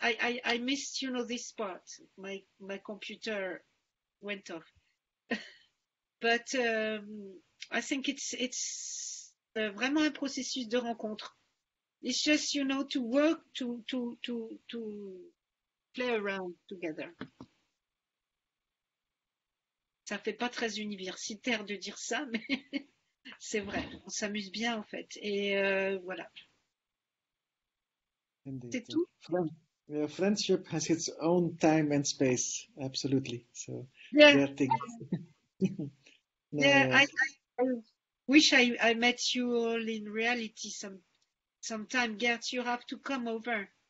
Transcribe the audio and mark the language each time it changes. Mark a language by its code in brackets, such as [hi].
[en] I missed, you know, this part. My computer went off. But I think it's [fr] vraiment un processus de rencontre. [en] It's just, you know, to work, to play around together. [fr] Ça fait pas très universitaire de dire ça, mais c'est vrai, on s'amuse bien en fait. Et voilà. [en] Indeed. [fr] C'est tout. [en] Friendship has its own time and space, absolutely. So, yeah. Yeah, I wish I met you all in reality sometime. Gert, you have to come over.